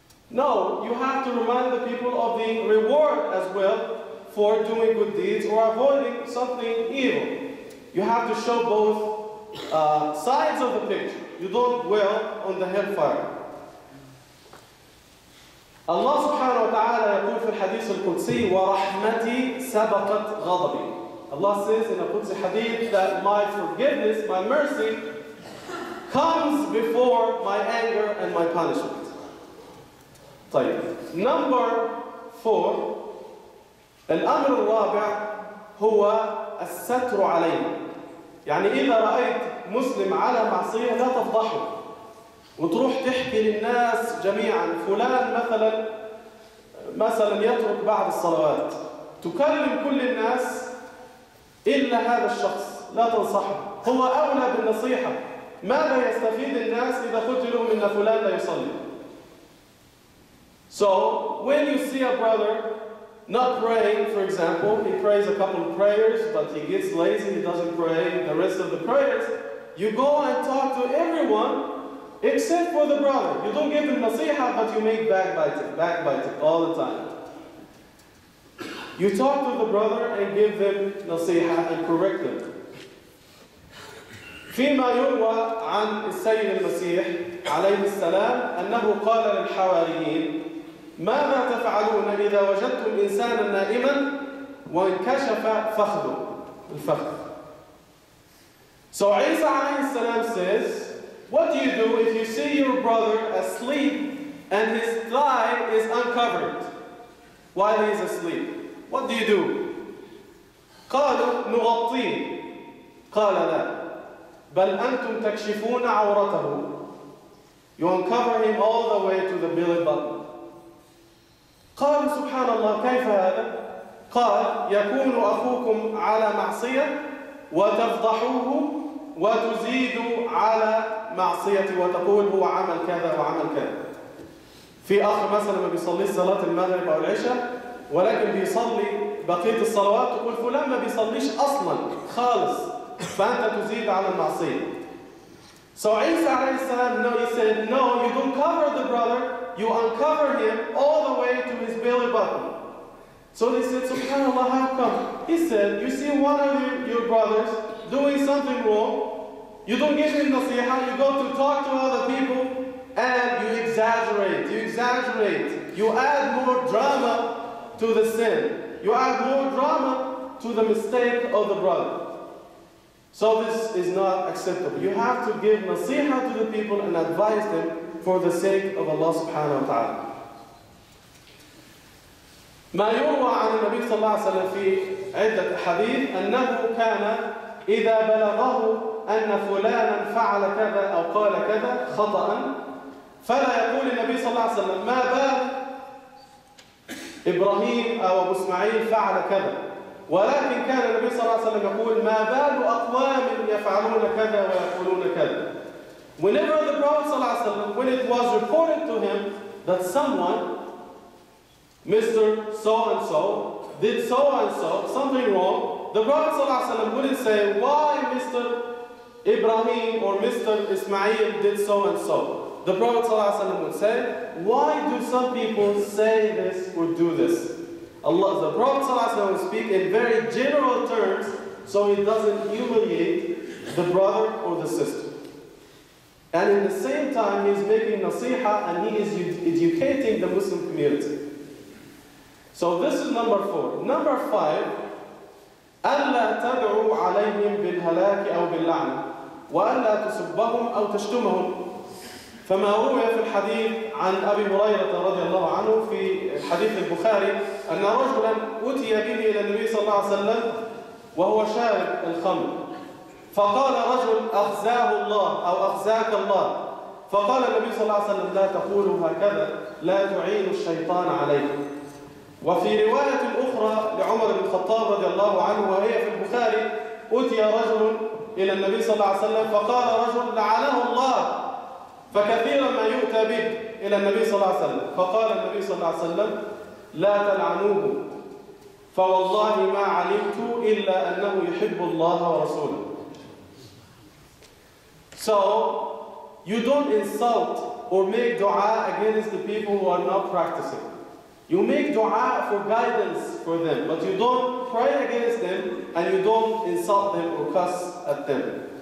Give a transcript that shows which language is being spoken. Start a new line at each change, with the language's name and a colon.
English: No, you have to remind the people of the reward as well for doing good deeds or avoiding something evil. You have to show both sides of the picture. You don't dwell on the hellfire.
Arabic: Allah subhanahu wa ta'ala يقول في الحديث القدسي ورحمتي سبقت غضبي.
English: Allah says in a Qudsi hadith that my forgiveness, my mercy comes before my anger and my punishment.
Arabic: طيب.
English: Number four,
Arabic: الأمر الرابع هو الستر علينا. يعني إذا رأيت مسلم على معصية لا تفضحه وتروح تحكي للناس جميعا فلان مثلا يترك بعض الصلوات، تكلم كل الناس إلا هذا الشخص لا تنصحه، هو أولى بالنصيحة. ماذا يستفيد الناس إذا قلت لهم إن فلان لا يصلي؟
English: So, when you see a brother not praying, for example, he prays a couple of prayers, but he gets lazy, he doesn't pray the rest of the prayers, you go and talk to everyone except for the brother. You don't give him nasiha, but you make backbiting all the time. You talk to the brother and give them nasiha and correct them.
Arabic: فيما يروى عن السيد المسيح عليه السلام أنه قال للحواريين ماذا تفعلون إذا وجدتم إنسانا نائما وانكشف فخذه الفخذ.
English: So Isa alayhi salam says, what do you do if you see your brother asleep and his thigh is uncovered while he is asleep? What do you do?
Arabic: قالوا نغطيه. قال لا بل أنتم تكشفون عورته.
English: You uncover him all the way to the belly button.
Arabic: قال سبحان الله كيف هذا؟ قال يكون أخوكم على معصية وتفضحوه وتزيد على معصية وتقول هو عمل كذا وعمل كذا. في أخ مثلا ما بيصلي صلاة المغرب أو العشاء ولكن بيصلي بقية الصلوات، تقول فلان ما بيصليش أصلا خالص، فأنت تزيد على المعصية.
English: So Isa عليه السلام said, no, you don't cover the brother, you uncover him all the way to his belly button. So they said, SubhanAllah, how come? He said, you see one of your brothers doing something wrong, you don't give him nasiha, you go to talk to other people, and you exaggerate, you add more drama to the sin, you add more drama to the mistake of the brother. So this is not acceptable. You have to give nasiha to the people and advise them for the sake of Allah subhanahu wa ta'ala.
Arabic: ما يروى عن النبي صلى الله عليه وسلم في عدة حديث أنه كان إذا بلغه أن فلانا فعل كذا أو قال كذا خطأ فلا يقول النبي صلى الله عليه وسلم ما بال إبراهيم أو أبو إسماعيل فعل كذا، ولكن كان النبي صلى الله عليه وسلم يقول ما بال أقوام يفعلون كذا ويقولون كذا.
English: Whenever the Prophet صلى الله عليه وسلم, when it was reported to him that someone, Mr. So-and-so, did so-and-so, something wrong, the Prophet صلى الله عليه وسلم wouldn't say, why Mr. Ibrahim or Mr. Ismail did so-and-so. The Prophet صلى الله عليه وسلم would say, why do some people say this or do this? Allah, the Prophet صلى الله عليه وسلم would speak in very general terms so he doesn't humiliate the brother or the sister. And in the same time, he's making nasiha and he is educating the Muslim community. So this is number four. Number five,
Arabic: أَلَّا تَدْعُوا عَلَيْهِمْ بِالْهَلَاكِ أَوْ بِاللَّعْنِ وَأَلَّا تُسُبَّهُمْ أَوْ تَشْتُمَهُمْ. فما روي في الحديث عن أبي هريرة رضي الله عنه في حديث البخاري أن رجلا أتي به إلى النبي صلى الله عليه وسلم وهو شارب الخمر، فقال رجل أخزاه الله أو أخزاك الله، فقال النبي صلى الله عليه وسلم لا تقولوا هكذا لا تعين الشيطان عليك. وفي رواية أخرى لعمر بن الخطاب رضي الله عنه وهي في البخاري أتي رجل إلى النبي صلى الله عليه وسلم فقال رجل لعنه الله، فكثيرا ما يؤتى به إلى النبي صلى الله عليه وسلم، فقال النبي صلى الله عليه وسلم لا تلعنوه فوالله ما علمت إلا أنه يحب الله ورسوله.
English: So you don't insult or make dua against the people who are not practicing. You make dua for guidance for them, but you don't pray against them and you don't insult them or cuss at them.